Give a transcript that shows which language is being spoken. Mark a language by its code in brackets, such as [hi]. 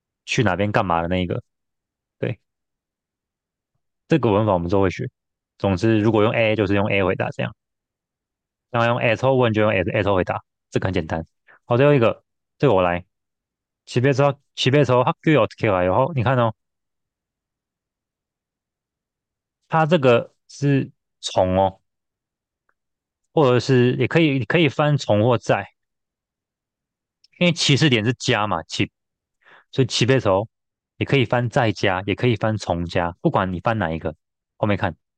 [zh] 去哪边干嘛的那一个，这个文法我们都会学。总之，如果用 A 就是用 A 回答这样，然后用 eso 问就用 eso 回答，这个很简单。好，最后一个，这个我来。 [ko] 집에서 학교에 어떻게 가요？ [zh] 你看哦，它这个是从哦，或者是也可以翻从或在，因为起始点是加嘛，起。所以起背头也可以翻在家，也可以翻从家，不管你翻哪一个，后面看。